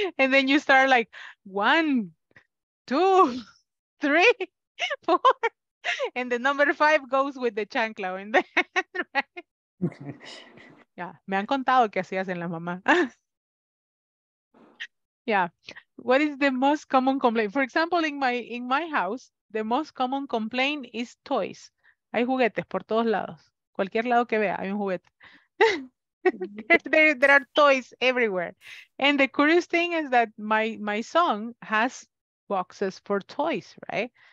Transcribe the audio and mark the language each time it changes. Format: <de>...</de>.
<en>And then you start like 1, 2, 3, 4, and the number 5 goes with the chancla in the head, right?</en> <es>Yeah, me han contado que así hacen las mamás.</es> <en>Yeah, what is the most common complaint? For example, in my house, the most common complaint is toys.</en> <es>Hay juguetes por todos lados. Cualquier lado que vea, hay un juguete.</es> <en>There are toys everywhere. And the curious thing is that my son has boxes for toys, right?</en>